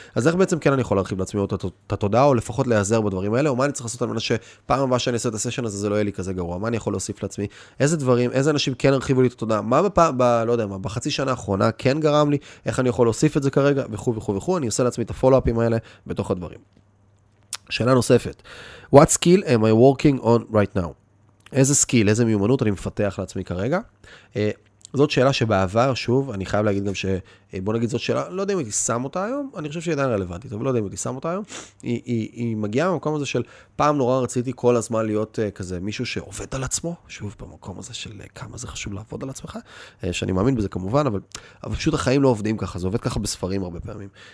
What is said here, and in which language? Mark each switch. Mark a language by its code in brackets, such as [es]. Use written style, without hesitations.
[he] אז איך בעצם כן אני יכול להרחיב לעצמי עוד את התודעה, או לפחות להיעזר בדברים האלה, או מה אני צריך לעשות על מנת שפעם הבאה שאני אעשה את הסשן הזה, זה לא יהיה לי כזה גרוע. מה אני יכול להוסיף לעצמי? איזה דברים, איזה אנשים כן הרחיבו לי את התודעה? מה לא יודע מה, בחצי שנה האחרונה כן גרם לי, איך אני יכול להוסיף את זה כרגע, וכו וכו וכו. אני עושה לעצמי את הפולו-אפים האלה בתוך הדברים. שאלה נוספת. [en] What skill am I working on right now? [he] איזה סקיל, איזה מיומנות אני מפתח לעצמי כרגע? זאת שאלה שבעבר, שוב, אני חייב להגיד גם ש... בוא נגיד זאת שאלה, לא יודע אם הייתי שם אותה היום, אני חושב שהיא עדיין רלוונטית, אבל לא יודע אם הייתי שם אותה היום. היא מגיעה במקום הזה של פעם נורא רציתי כל הזמן להיות כזה מישהו שעובד על עצמו, שוב, במקום הזה של כמה זה חשוב לעבוד על עצמך, שאני מאמין בזה כמובן, אבל פשוט החיים לא עובדים ככה, זה עובד ככה בספרים הרבה פעמים.